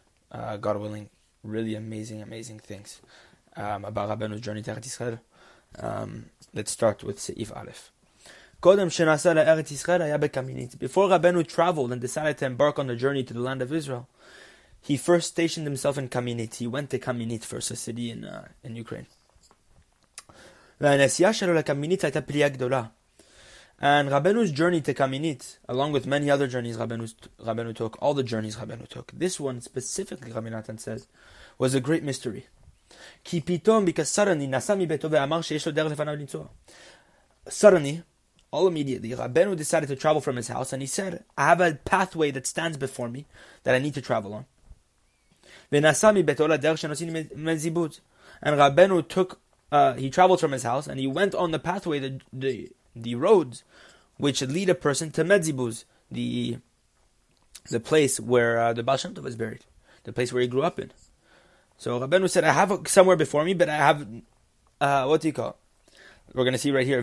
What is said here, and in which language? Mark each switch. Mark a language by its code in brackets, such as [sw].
[en] God willing, really amazing, amazing things about Rabbeinu's journey to Eretz Yisrael. Let's start with Seif Aleph. [he] Kodem shenasa le'Eretz Yisrael haya beKamenitz. [en] Before Rabbeinu traveled and decided to embark on the journey to the land of Israel, he first stationed himself in Kamenitz. He went to Kamenitz first, a city in Ukraine. [he] והנסיעה שלו לקמיניץ הייתה פליאה גדולה. [en] And Rabbeinu's journey to Kamenitz, along with many other journeys Rabbeinu took, all the journeys Rabbeinu took, this one specifically, Rabbi Natan says, was a great mystery. [he] כי פתאום, [en] because suddenly, [he] נסע מביתו ואמר שיש לו דרך לפניו לנצוע. [en] Suddenly, all immediately, Rabbeinu decided to travel from his house, and he said, I have a pathway that stands before me that I need to travel on. [he] ונסע מביתו לדרך שנוסעים מזיבות. [en] And Rabbeinu took he traveled from his house and he went on the pathway, the roads, which lead a person to Medzibuz, the place where the Baal Shem Tov was buried, the place where he grew up in. So Rabbeinu said, I have somewhere before me, but I have, what do you call it? We're going to see right here.